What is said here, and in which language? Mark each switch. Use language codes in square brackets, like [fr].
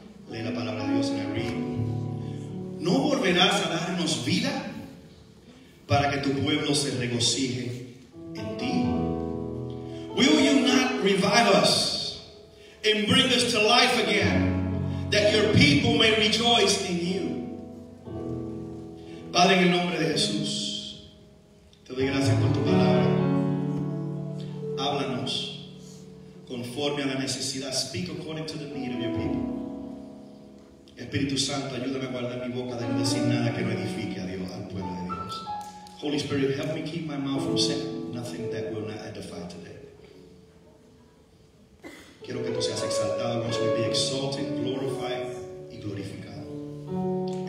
[es] Lee la palabra de Dios en el río. ¿No volverás a darnos vida para que tu pueblo se regocije en ti? [en] Will you not revive us and bring us to life again that your people may rejoice in you? [es] Padre, en el nombre de Jesús, te doy gracias por tu palabra. Háblanos conforme a la necesidad. [en] Speak according to the need of your people. [es] Espíritu Santo, ayúdame a guardar mi boca de no decir nada que no edifique a Dios, al pueblo de Dios. [en] Holy Spirit, help me keep my mouth from saying nothing that will not edify today. [es] Quiero que tú seas exaltado, que tú seas [en] exalted, glorified [es] y glorificado.